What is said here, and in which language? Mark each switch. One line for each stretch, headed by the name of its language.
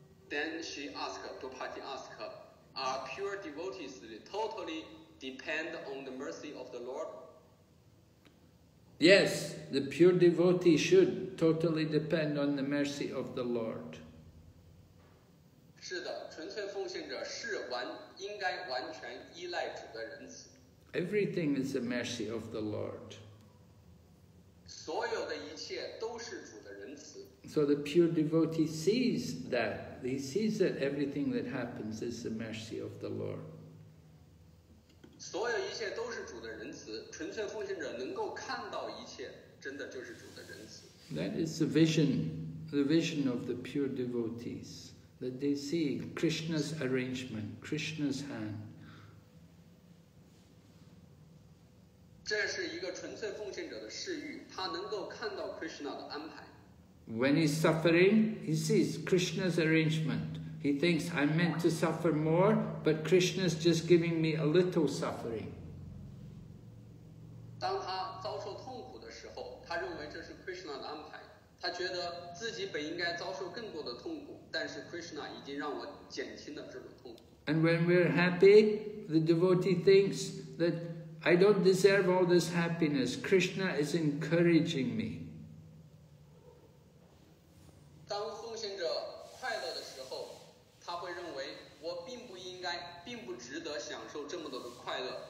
English: Then she asked, Dupati asked, Are pure devotees totally depend on the mercy of the Lord? Yes, the pure devotee should totally depend on the mercy of the Lord.
Chinese: 是的，纯粹奉献者是完。应该完全依赖主的仁慈。
English: Everything is the mercy of the Lord.
Chinese: 所有的一切都是主的仁慈。
English: So the pure devotee sees that. He sees that everything that happens is the mercy of the Lord.
Chinese: 所有一切都是主的仁慈。纯粹奉献者能够看到一切真的就是主的仁慈。
English: That is the vision, of the pure devotees. That they see Krishna's arrangement, Krishna's hand.
Chinese: 这是一个纯粹奉献者的视域，他能够看到 Krishna 的安排。
English: When he's suffering, he sees Krishna's arrangement. He thinks I'm meant to suffer more, but Krishna's just giving me a little suffering.
Chinese: 当他遭受痛苦的时候，他认为这是 Krishna 的安排，他觉得自己本应该遭受更多的痛苦。但是 Krishna 已经让我减轻了这种痛苦。
English: And when we're happy, the devotee thinks that I don't deserve all this happiness. Krishna is encouraging me.
Chinese: 当奉献者快乐的时候，他会认为我并不应该，并不值得享受这么多的快乐。